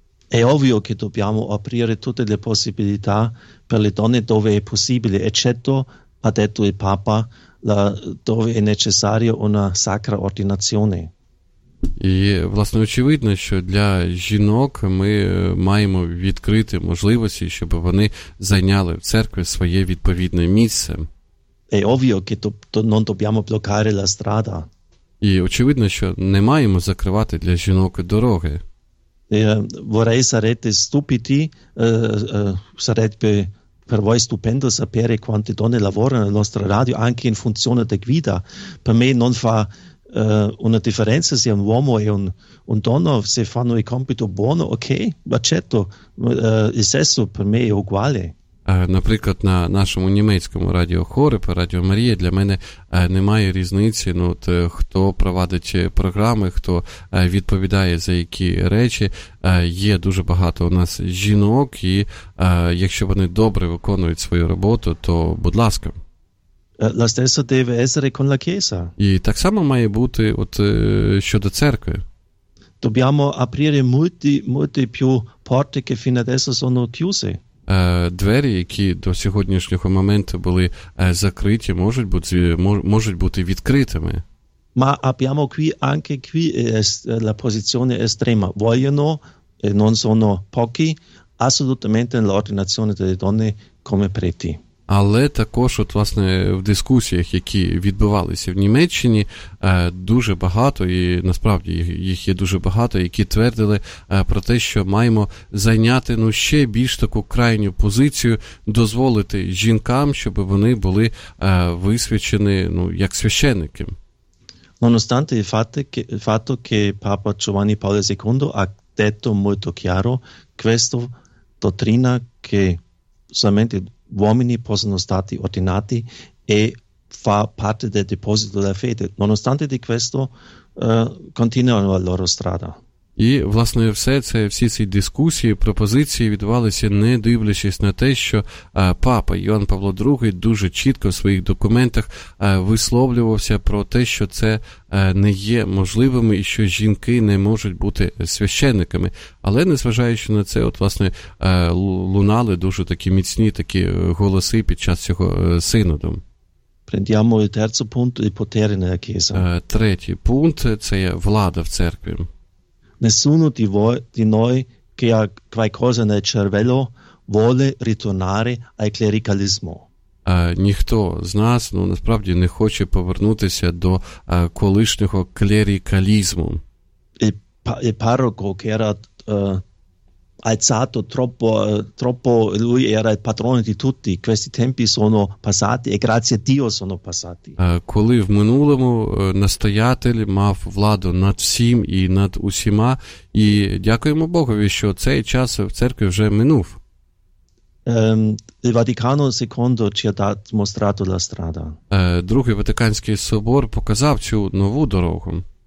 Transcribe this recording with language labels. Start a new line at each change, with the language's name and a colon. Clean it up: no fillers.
Italian: È ovvio che dobbiamo aprire tutte le possibilità per le donne dove è possibile, eccetto, ha detto il Papa, dove è necessaria una sacra ordinazione.
Ukrainian: І, власне, очевидно, що для жінок ми маємо відкрити можливості, щоб вони зайняли в церкві своє відповідне місце.
Italian: È ovvio che non dobbiamo bloccare la strada.
Ukrainian: І очевидно, що не маємо закривати для жінок дороги.
Italian: Vorrei sarete stupiti, sarebbe per voi stupendo sapere quante donne lavorano nella nostra radio anche in funzione di guida. Per me non fa una differenza se un uomo e un donna se fanno il compito buono, ok, accetto, il sesso per me è uguale.
Ukrainian: Наприклад, на нашому німецькому радіохорі по Радіо Марія для мене немає різниці, ну, от, хто проводить програми, хто відповідає за які речі. Є дуже багато у нас жінок, і якщо вони добре виконують свою роботу, то будь ласка.
Italian: La stessa deve essere con la chiesa.
Ukrainian: І так само має бути от, щодо церкви.
Italian: Dobbiamo aprire molti, molti più porte che fino adesso sono chiuse.
Ukrainian: Двері, які до сьогоднішнього моменту були закриті, можуть бути відкритими.
Italian: Ma abbiamo qui anche qui la posizione estrema. Vogliono, non sono pochi, assolutamente l'ordinazione delle donne come preti.
Ukrainian: Але також, от, власне, в дискусіях, які відбувалися в Німеччині, дуже багато, і насправді їх є дуже багато, які твердили про те, що маємо зайняти, ну, ще більш таку крайню позицію, дозволити жінкам, щоб вони були висвячені, ну, як священники.
Italian: Nonostante il fatto che Papa Giovanni Paolo II ha detto molto chiaro questa dottrina che solamente uomini possono stati ordinati e fa parte del deposito della fede. Nonostante di questo, continuano la loro strada.
Ukrainian: І, власне, всі ці дискусії, пропозиції відбувалися, не дивлячись на те, що папа Іоанн Павло ІІ дуже чітко в своїх документах висловлювався про те, що це не є можливим і що жінки не можуть бути священниками. Але, незважаючи на це, от, власне, лунали дуже такі міцні такі голоси під час цього синоду.
Italian: Prendiamo il terzo punto, il potere nella chiesa.
Ukrainian: Третій пункт – це є влада в церкві.
Italian: Nessuno di noi che ha qualcosa nel cervello vuole ritornare al clericalismo.
Ukrainian: Ніхто з нас, ну, насправді, не хоче повернутися до колишнього клерикалізму.
Italian: Il parroco che era alzato troppo, lui era il padrone di tutti. Questi tempi sono passati e grazie a Dio sono passati.
Ukrainian: Коли в минулому настоятель мав владу над всім і над усіма, і дякуємо Богові, що цей час в церкві вже минув.
Italian: Il Vaticano II ci ha mostrato la strada.
Ukrainian: Другий Ватиканський собор показав цю нову дорогу.